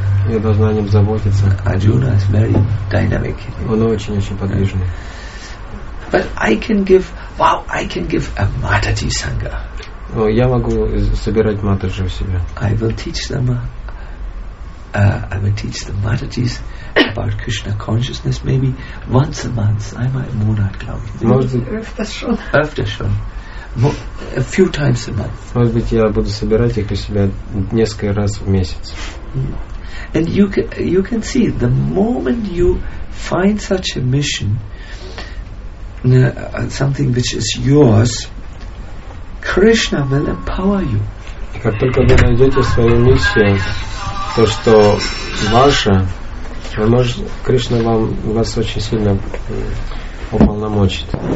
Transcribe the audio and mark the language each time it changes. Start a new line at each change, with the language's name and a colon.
Russian: Я должна о нем заботиться.
English: Arjuna is very dynamic.
Russian: Он очень-очень подвижный.
English: But I can give, wow, I can give a Mataji Sangha.
Russian: Ну, я могу собирать Матаджи у себя.
English: I will teach them. I will teach the Matajis about Krishna consciousness maybe once a month.
German: I might monat, glaube ich. Öfter schon.
English: A few times a month.
Russian: Может быть, я буду собирать их у себя несколько раз в месяц.
English: And you can see the moment you find such a mission, something which is yours, Krishna will empower you.
Russian: И как только вы найдете свою миссию, то что ваше, Кришна вас очень сильно уполномочит.